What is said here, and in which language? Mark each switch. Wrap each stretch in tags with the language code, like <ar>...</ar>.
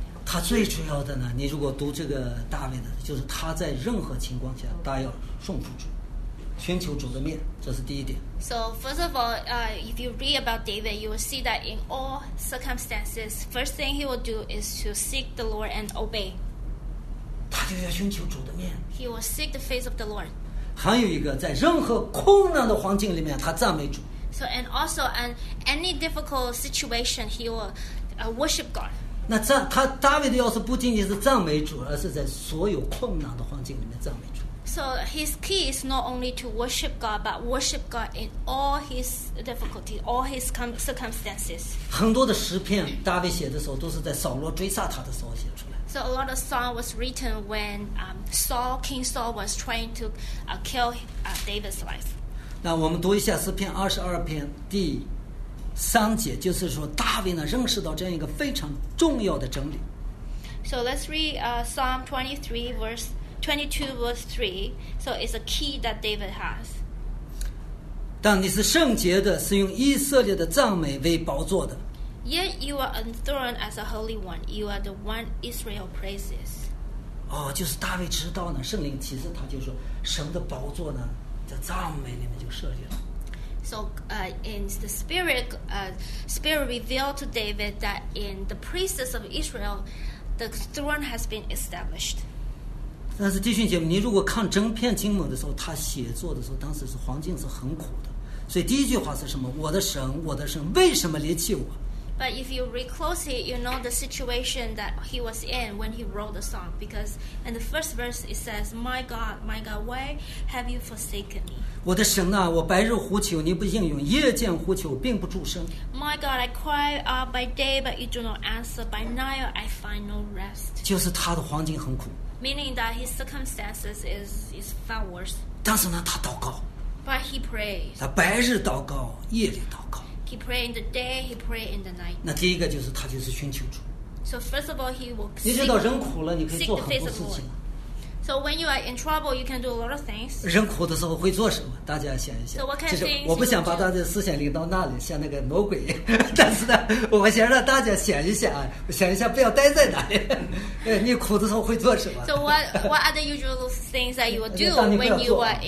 <zh>他最主要的呢，你如果读这个大卫的，就是他在任何情况下都要顺服主，寻求主的面，这是第一点。</zh> <en>So first of all, if you read about David, you will see that in all circumstances, first thing he will do is to seek the Lord and obey.</en> <zh>他就要寻求主的面。</zh> <en>He will seek the face of the Lord.</en> <zh>还有一个，在任何困难的环境里面，他赞美主。</zh> <en>So and also in any difficult situation, he will worship God.</en> <zh>那赞他大卫的钥匙不仅仅是赞美主，而是在所有困难的环境里面赞美主。</zh> <en>So his key is not only to worship God, but worship God in all his difficulties, all his circumstances.</en> <zh>很多的诗篇大卫写的时候都是在扫罗追杀他的时候写出来。</zh> <en>So a lot of song was written when Saul, King Saul was trying to kill David's life.</en> <zh>那我们读一下诗篇22篇第三节，就是说大卫呢认识到这样一个非常重要的真理。</zh> <en>So let's read Psalm 23 verse 22:3, so it's a key that David has.</en> <zh>但你是圣洁的，是用以色列的赞美为宝座的。</zh> <en>Yet you are enthroned as a holy one. You are the one Israel praises.</en> <zh>哦，就是大卫知道呢，圣灵启示他就说，神的宝座呢，在赞美里面就设立了。</zh> <en>So, in the spirit revealed to David that in the praises of Israel, the throne has been established.</en> <zh>但是弟兄姐妹，你如果看整篇经文的时候，他写作的时候，当时是环境是很苦的，所以第一句话是什么？我的神，我的神，为什么离弃我</zh> <en>？But if you read closely, you know the situation that he was in when he wrote the song. Because in the first verse it says, "My God, my God, why have you forsaken me?"</en> <zh>我的神啊，我白日呼求你不应允，夜间呼求并不住声。</zh> <en>My God, I cry out by day, but you do not answer. By night, I find no rest.</en> <zh>就是他的环境很苦。</zh> <en>Meaning that his circumstances is far worse.</en> <zh>但是呢，他祷告。</zh> <en>But he prays.</en> <zh>他白日祷告，夜里祷告。</zh> <en>He pray in the day. He pray in the night.</en> <zh>那第一个就是他就是寻求主。</zh> <en>So first of all, he will.</en> <zh>你知道人苦了，你可以做很多事情。</zh> <en>So when you are in trouble, you can do a lot of things.</en> <zh>人苦的时候会做什么？大家想一想。</zh> <en>So what kind of things?</en> <zh>我不想把大家思想领到那里，像那个魔鬼。但是呢，我先让大家想一想啊，想一想不要待在哪里。你苦的时候会做什么</zh> <en>？So what are the usual things that you will do when you are in?</en>